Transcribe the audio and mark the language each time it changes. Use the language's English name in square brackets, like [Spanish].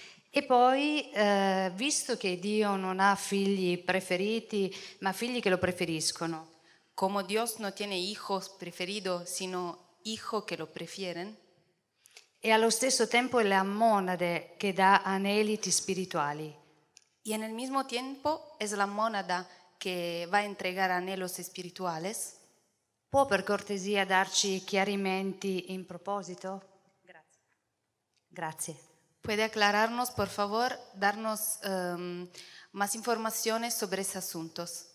[Italian] E poi, visto che Dio non ha figli preferiti, ma figli che lo preferiscono. [Spanish] Como Dios no tiene hijos preferidos, sino hijos que lo prefieren. [Italian] E allo stesso tempo è la monade che dà aneliti spirituali. [Spanish] Y en el mismo tiempo es la monada que va a entregar anhelos espirituales. [Italian] Può per cortesia darci chiarimenti in proposito? Grazie. Grazie. [Spanish] ¿Puede aclararnos, por favor, darnos más informaciones sobre esos asuntos?